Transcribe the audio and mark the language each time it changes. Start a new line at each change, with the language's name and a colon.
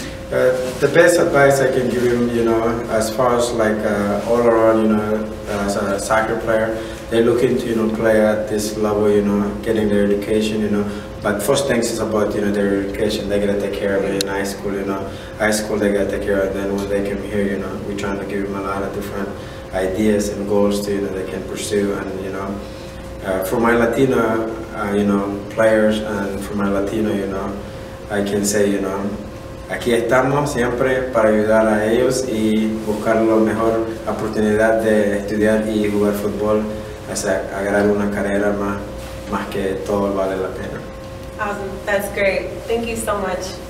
English: The best advice I can give them, you know, as far as like all around, you know, as a soccer player, they're looking to, you know, play at this level, you know, getting their education, you know. But first things is about, you know, their education. They gotta take care of it in high school, you know. High school they gotta take care of, then when they come here, you know, we're trying to give them a lot of different ideas and goals to, you know, they can pursue. And, you know, for my Latino, you know,
Spanish: players, and for my Latino, you know, I can say, you know, aquí estamos siempre para ayudar a ellos y buscar la mejor oportunidad de estudiar y jugar fútbol, o sea, agarrar una carrera más que todo vale la pena.
English: Awesome. That's great. Thank you so much.